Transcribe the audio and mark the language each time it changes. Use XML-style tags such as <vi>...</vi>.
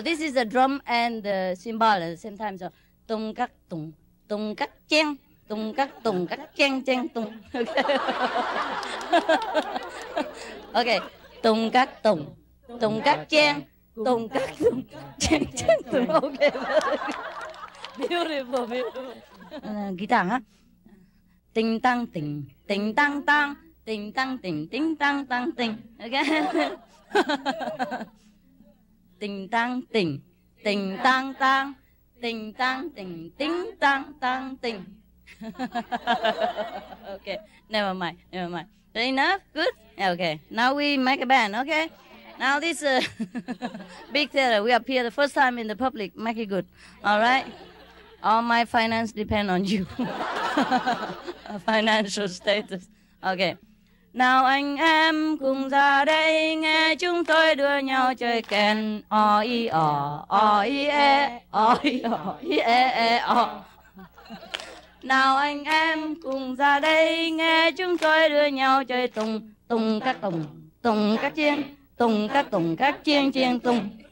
<en>This is the drum and the cymbal at the same time. So tùng các tùng tùng các chiên. Tung cắt tung cắt chen chen tung. Okay. Tung cắt tung. Tung cắt chen. Tung cắt tung. Chen chen tung. Okay. Beautiful, beautiful. Guitar, huh? Ting tang ting. Ting tang tang. Ting tang ting. Ting tang tang ting. Okay. Ting tang ting. Ting tang tang. Ting tang ting. Ting tang tang ting. Okay, never mind. Enough? Good? Okay, now we make a band, okay? Now this big theater, we appear the first time in the public. Make it good, all right? All my finance depend on you. Financial status. Okay.</en> <vi>Nào anh em cùng ra đây nghe chúng tôi đưa nhau chơi kèn. O i o, o i e, o i o, i e e o. Nào anh em cùng ra đây nghe chúng tôi đưa nhau chơi tùng tùng các tùng tùng các chiên tùng các chiên chiên tùng.</vi>